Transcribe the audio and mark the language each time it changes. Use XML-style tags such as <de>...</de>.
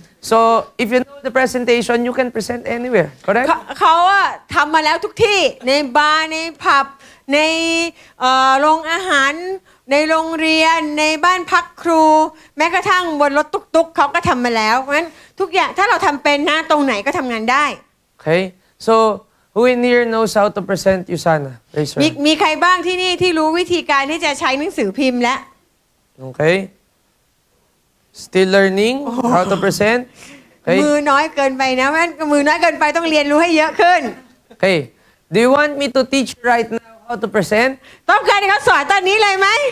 <en>So, if you know the presentation, you can present anywhere, correct?</en> <th>เขาทำมาแล้วทุกที่ในบาร์ในผับในโรงอาหารในโรงเรียนในบ้านพักครูแม้กระทั่งบนรถตุ๊กเขาก็ทำมาแล้วเพราะฉะนั้นทุกอย่างถ้าเราทำเป็นนะตรงไหนก็ทำงานได้</th> <en>Okay? So,Who in here knows how to present USANA?</en> <th>มีใครบ้างที่นี่ที่รู้วิธีการที่จะใช้หนังสือพิมพ์แล้ว</th> <en>โอเค Still learning how to present okay.</en> <th>มือน้อยเกินไปนะแม่มือน้อยเกินไปต้องเรียนรู้ให้เยอะขึ้น</th> <en>โอเค Do you want me to teach right now how to present?</en> <th>ต้องการให้เขาสอนตอนนี้เลยไหม</th>